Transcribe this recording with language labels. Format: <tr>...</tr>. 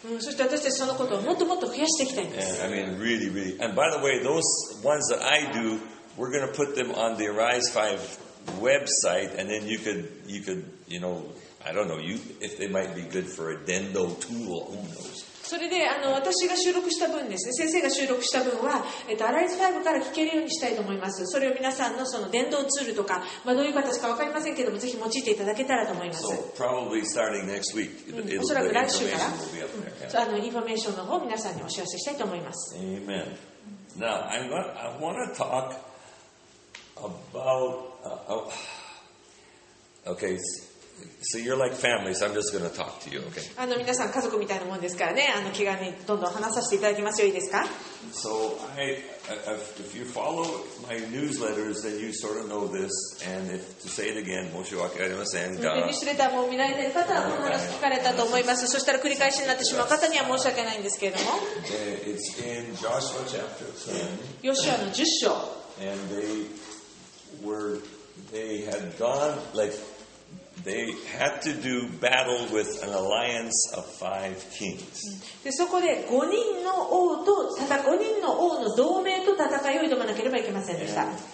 <ja>そして私たちそのことをもっともっと増やしていきたいんです。</ja> <en>And, I mean, really, really. And by the way, those ones that I do, we're going to put them on the Arise 5 website, and then you could, you know, I don't know, if they might be good for a dendo tool, who knows?</en> <ja>それで私が収録した分ですね、先生が収録した分は、Arise 5から聞けるようにしたいと思います。それを皆さんのその伝道ツールとか、まあ、どういう形か分かりませんけども、ぜひ用いていただけたらと思います。</ja> <en>Probably starting next week,</en> <ja>おそらく来週から、インフォメーションの方を皆さんにお知らせしたいと思います。</ja> <en>Amen. Now, I want to talk about... okay, so you're like family, so I'm just going to talk to you, okay?</en> <ja>皆さん家族みたいなもんですからね、気軽にどんどん話させていただきますよ、いいですか？</ja> <en>So, if you follow my newsletters, then you sort of know this, and if to say it again,</en> <ja>申し訳ありません。ニュースレターも見られている方は、この話聞かれたと思います。そしたら繰り返しになってしまう方には申し訳ないんですけれども。</ja> <en>It's in Joshua chapter 10.</en> <ja>ヨシュアの10章。</ja> <en>And they had to do battle with an alliance of 5 kings.</en> <ja>で、そこで5人の王の同盟と戦いを挑まなければいけませんでした。</ja>